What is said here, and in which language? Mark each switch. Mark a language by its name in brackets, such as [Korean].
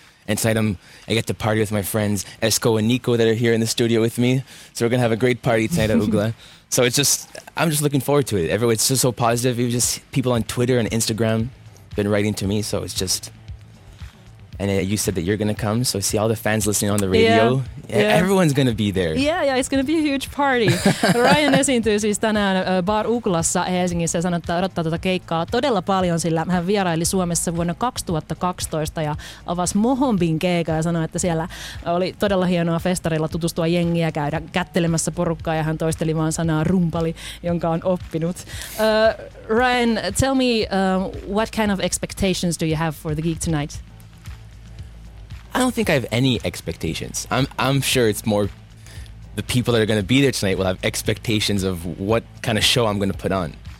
[English] And tonight I get to party with my friends Esko and Nico that are here in the studio with me. So we're going to have a great party tonight at Ugla. So I'm just looking forward to it. Everyone's just so positive. Even just people on Twitter and Instagram been writing to me, so it's just, and you said that you're gonna come, so see all the fans listening on the radio. Yeah. Everyone's gonna be there. Yeah, it's gonna be a huge party. [Finnish] Ryan esiintyy siis tänään Bar Uklassa Helsingissä ja sanoi, että odottaa tätä keikkaa todella paljon, sillä hän vieraili Suomessa vuonna 2012 ja avasi Mohombin keikaa ja sanoi, että siellä oli todella hienoa festarilla tutustua jengiä, käydä kättelemässä porukkaa, ja hän toisteli vaan sanaa rumpali, jonka on oppinut. [English] Ryan, tell me, what kind of expectations do you have for the gig tonight? I don't think I have any expectations. I'm sure it's more the people that are going to be there tonight will have expectations of what kind of show I'm going to put on.